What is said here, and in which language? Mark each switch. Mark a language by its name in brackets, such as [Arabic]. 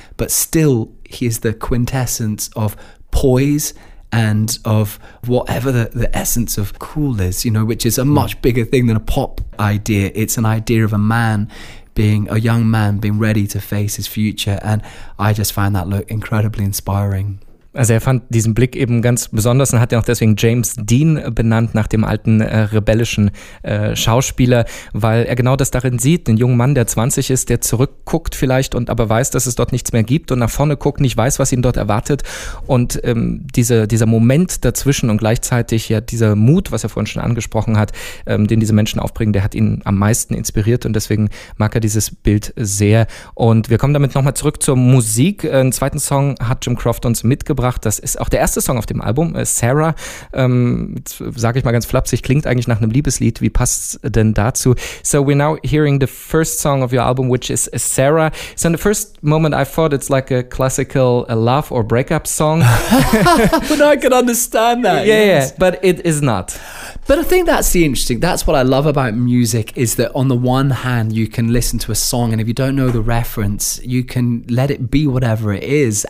[English] But still, he is the quintessence of poise and of whatever the essence of cool is, you know, which is a much bigger thing than a pop idea. It's an idea of a man being, a young man being ready to face his future. And I just find that look incredibly inspiring. [German] Also er fand diesen Blick eben ganz besonders und hat ihn auch deswegen James Dean benannt, nach dem alten rebellischen Schauspieler, weil er genau das darin sieht, den jungen Mann, der 20 ist, der zurückguckt vielleicht und aber weiß, dass es dort nichts mehr gibt, und nach vorne guckt, nicht weiß, was ihn dort erwartet, und dieser Moment dazwischen und gleichzeitig ja dieser Mut, was er vorhin schon angesprochen hat, den diese Menschen aufbringen, der hat ihn am meisten inspiriert, und deswegen mag er dieses Bild sehr. Und wir kommen damit nochmal zurück zur Musik. Einen zweiten Song hat Jim Croft uns mitgebracht. Das ist auch der erste Song auf dem Album, Sarah. Sage ich mal ganz flapsig, klingt eigentlich nach einem Liebeslied. Wie passt denn dazu? [English] So we're now hearing the first song of your album, which is Sarah. So in the first moment I thought it's like a classical love or breakup song. But now I can understand that. Yeah, yes. But it is not. But I think that's the interesting, that's what I love about music, is that on the one hand you can listen to a song, and if you don't know the reference, you can let it be whatever it is.